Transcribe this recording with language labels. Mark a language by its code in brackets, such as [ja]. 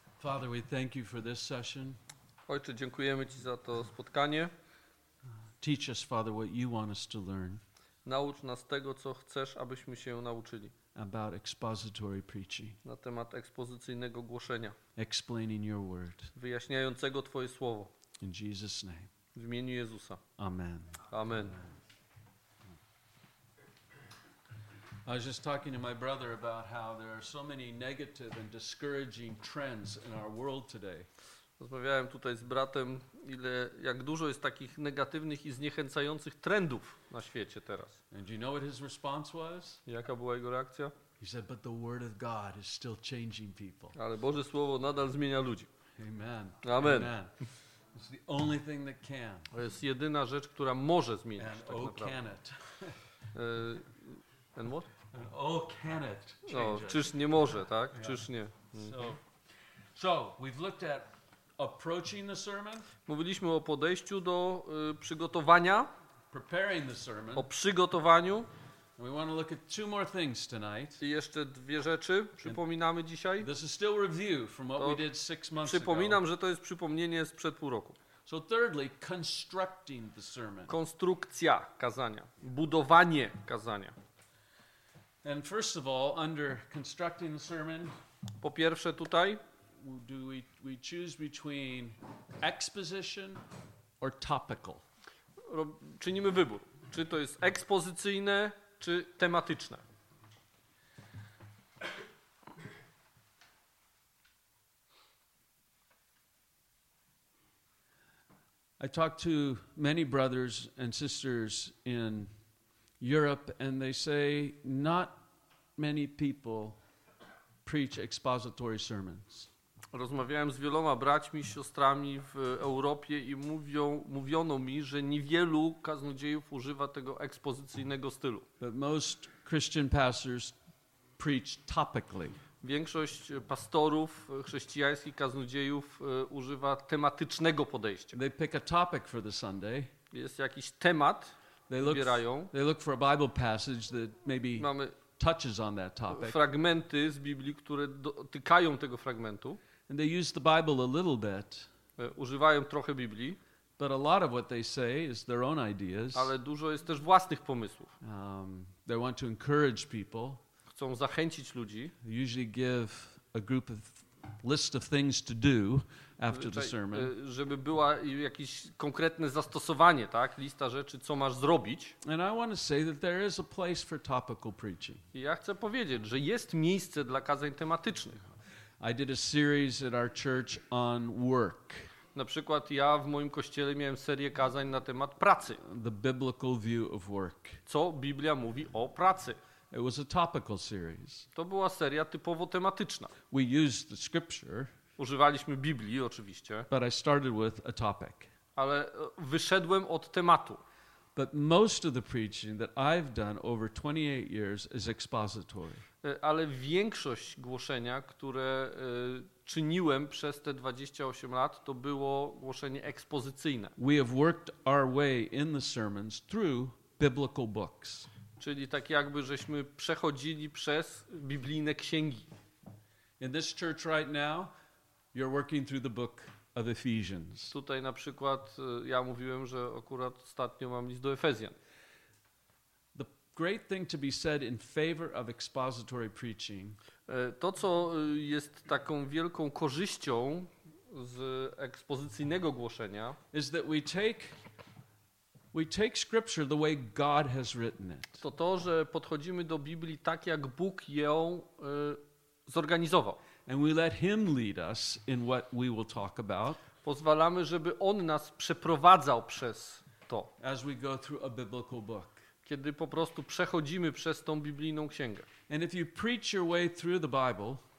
[en] Father, we thank you for this session. [pl] Ojcze, dziękujemy ci za to spotkanie. [en] Teach us, Father, what you want us to learn. [pl] Naucz nas tego, co chcesz, abyśmy się nauczyli. [en] About expository preaching. [pl] Na temat ekspozycyjnego głoszenia. [en] Explaining your word. [pl] Wyjaśniającego twoje słowo. [en] In Jesus' name. [pl] W imieniu Jezusa. [en] Amen. [pl] Amen. [en] I was just talking to my brother about how there are so many negative and discouraging trends in our world today. [pl] Rozmawiałem tutaj z bratem, ile, jak dużo jest takich negatywnych i zniechęcających trendów na świecie teraz. [en] And you know what his response was? [pl] Jaka była jego reakcja? [en] He said, but the word of God is still changing people. [pl] Ale Boże słowo nadal zmienia ludzi. [en] Amen. [pl] Amen. Amen. [en] It's the only thing that can. [pl] To jest jedyna rzecz, która może zmienić. [en] And [pl] tak oh, naprawdę. [en] Can it? And what? And oh, can it change [pl] no, czyż nie może, tak? Yeah. Czyż nie? [en] So we've looked at approaching the sermon. [pl] Mówiliśmy o podejściu do przygotowania. [en] Preparing the sermon. [pl] O przygotowaniu. [en] We want to look at two more things tonight. [pl] I jeszcze dwie rzeczy przypominamy dzisiaj. [en] This is still review from what we did 6 months ago. [pl] Przypominam, że to jest przypomnienie sprzed pół roku. [en] So thirdly, constructing the sermon. [pl] Konstrukcja kazania. Budowanie kazania. [en] And first of all, under constructing the sermon, [pl] po pierwsze tutaj, [en] do we choose between exposition or topical? [pl] Czynimy wybór, czy to jest ekspozycyjne, czy tematyczne. [en] I talked to many brothers and sisters in Europe, and they say not many people preach expository sermons. [pl] Rozmawiałem z wieloma braćmi, siostrami w Europie i mówiono mi, że niewielu kaznodziejów używa tego ekspozycyjnego stylu. [en] But most Christian pastors preach topically. [pl] Większość pastorów chrześcijańskich kaznodziejów używa tematycznego podejścia. [en] They pick a topic for the Sunday. [pl] Jest jakiś temat. [en] They look for a Bible passage that maybe mamy touches on that topic. [pl] Fragmenty z Biblii, które dotykają tego fragmentu. [en] And they use the Bible a little bit. [pl] Używają trochę Biblii. [en] But a lot of what they say is their own ideas. [pl] Ale dużo jest też własnych pomysłów. [en] They want to encourage people. [pl] Chcą zachęcić ludzi. [en] They usually give a group of list of things to do after the sermon. [pl] Żeby była jakieś konkretne zastosowanie, tak? Lista rzeczy, co masz zrobić. [en] And I want to say that there is a place for topical preaching. [pl] I ja chcę powiedzieć, że jest miejsce dla kazań tematycznych. [en] I did a series at our church on work. [pl] Na przykład ja w moim kościele miałem serię kazań na temat pracy. [en] The biblical view of work. [pl] Co Biblia mówi o pracy? [en] It was a topical series. [pl] To była seria typowo tematyczna. [en] We used the scripture. [pl] Używaliśmy Biblii oczywiście. [en] But I started with a topic. [pl] Ale wyszedłem od tematu. [en] But most of the preaching that I've done over 28 years is expository. [pl] Ale większość głoszenia, które czyniłem przez te 28 lat, to było głoszenie ekspozycyjne. [en] We have worked our way in the sermons through biblical books. [pl] Czyli tak jakby żeśmy przechodzili przez biblijne księgi. [en] In this church right now, you're working through the book of Ephesians. [pl] Tutaj na przykład ja mówiłem, że akurat ostatnio mam list do Efezjan. [en] The great thing to be said in favor of expository preaching. [pl] To, co jest taką wielką korzyścią z ekspozycyjnego głoszenia, [en] is that we take scripture the way God has written it. [pl] To, że podchodzimy do Biblii tak, jak Bóg ją zorganizował. [en] And we let him lead us in what we will talk about. [pl] Pozwalamy, żeby on nas przeprowadzał przez to. [en] As we go through a biblical book. [pl] Kiedy po prostu przechodzimy przez tą biblijną księgę. [en] And if you preach your way through the Bible,